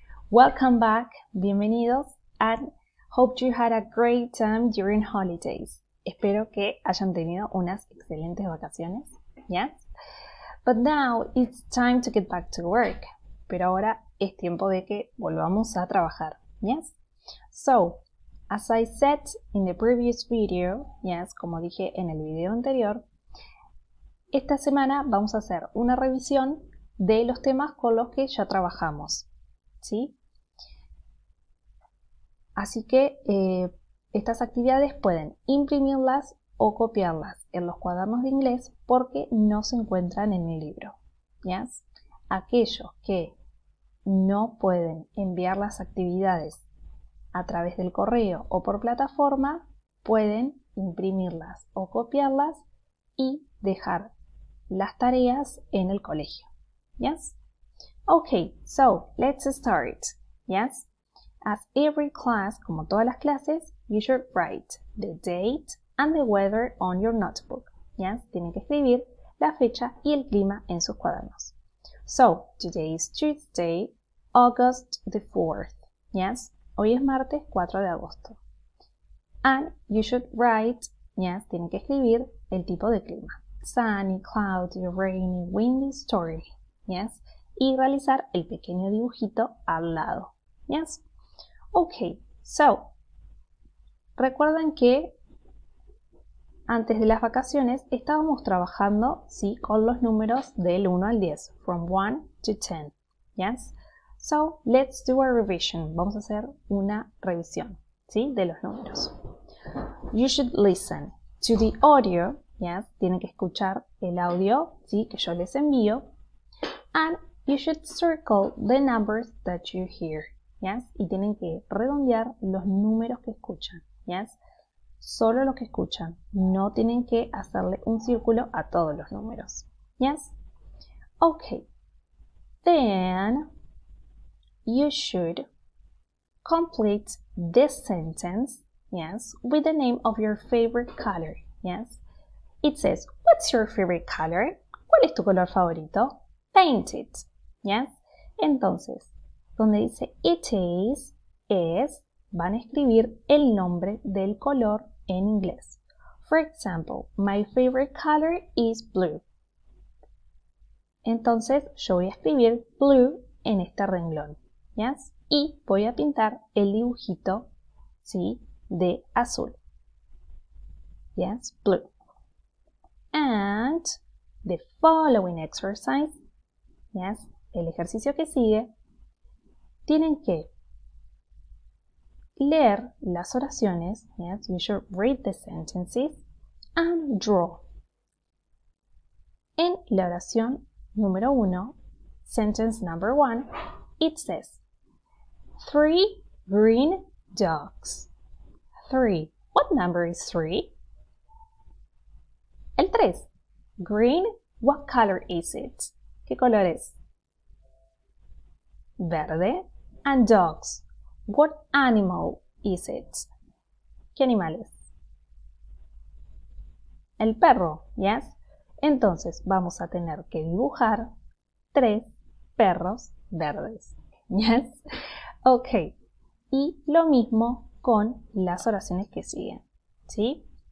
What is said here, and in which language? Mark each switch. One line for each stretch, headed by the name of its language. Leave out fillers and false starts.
English: Welcome back,
Spanish: bienvenidos,
English: and hope you had a great time during holidays.
Spanish: Espero que hayan tenido unas excelentes vacaciones, yes?
English: But now it's time to get back to work.
Spanish: Pero ahora es tiempo de que volvamos a trabajar, yes?
English: So, as I said in the previous video, yes,
Spanish: como dije en el video anterior, esta semana vamos a hacer una revisión de los temas con los que ya trabajamos, ¿sí? Así que estas actividades pueden imprimirlas o copiarlas en los cuadernos de inglés porque no se encuentran en el libro, ¿ya? ¿Sí? Aquellos que no pueden enviar las actividades a través del correo o por plataforma pueden imprimirlas o copiarlas y dejar las tareas en el colegio.
English: Yes? Okay, so let's start. Yes? As every class,
Spanish: como todas las clases,
English: you should write the date and the weather on your notebook. Yes?
Spanish: Tienen que escribir la fecha y el clima en sus cuadernos.
English: So, today is Tuesday, August the 4th.
Spanish: Yes? Hoy es martes 4 de agosto.
English: And you should write, yes,
Spanish: tienen que escribir el tipo de clima. Sunny, cloudy, rainy, windy, stormy, yes, y realizar el pequeño dibujito al lado, yes. Okay, so recuerdan que antes de las vacaciones estábamos trabajando, sí, con los números del 1 al 10,
English: from 1 to 10,
Spanish: yes.
English: So let's do a revision,
Spanish: vamos a hacer una revisión, sí, de los números.
English: You should listen to the audio.
Spanish: Yes, tienen que escuchar el audio, ¿sí?, que yo les envío. And you should circle the numbers that you hear. Yes, y tienen que redondear los números que escuchan. Yes, solo los que escuchan. No tienen que hacerle un círculo a todos los números.
English: Yes. Okay. Then you should complete this sentence. Yes, with the name of your favorite color. Yes. It says, what's your favorite color?
Spanish: ¿Cuál es tu color favorito?
English: Paint it.
Spanish: Yes? Entonces, donde dice it is, es, van a escribir el nombre del color en inglés.
English: For example, my favorite color is blue.
Spanish: Entonces, yo voy a escribir blue en este renglón. Yes? Y voy a pintar el dibujito, ¿sí?, de azul.
English: Yes? Blue. And the following exercise, yes,
Spanish: el ejercicio que sigue, tienen que leer las oraciones,
English: yes, you should read the sentences, and draw.
Spanish: En la oración número 1,
English: sentence number 1, it says, three green dogs. Three, what number is three?
Spanish: El 3.
English: Green, what color is it?
Spanish: ¿Qué color es? Verde.
English: And dogs, what animal is it?
Spanish: ¿Qué animal es? El perro, yes. Entonces vamos a tener que dibujar 3 perros verdes, yes. Ok, y lo mismo con las oraciones que siguen, ¿sí?